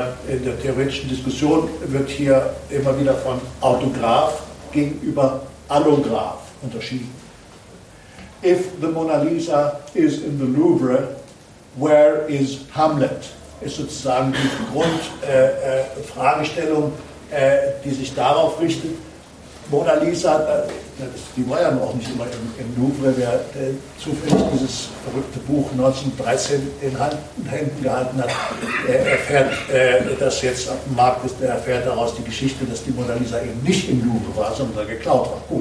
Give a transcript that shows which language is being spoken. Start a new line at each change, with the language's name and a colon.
German: In der theoretischen Diskussion wird hier immer wieder von Autograph gegenüber Allograph unterschieden.
English: If the Mona Lisa is in the Louvre, where is Hamlet?
German: Ist sozusagen die Grundfragestellung, die sich darauf richtet. Mona Lisa, die war ja noch nicht immer im Louvre, wer zufällig dieses verrückte Buch 1913 in Händen gehalten hat, erfährt das jetzt auf dem Markt, ist, der erfährt daraus die Geschichte, dass die Mona Lisa eben nicht im Louvre war, sondern geklaut war.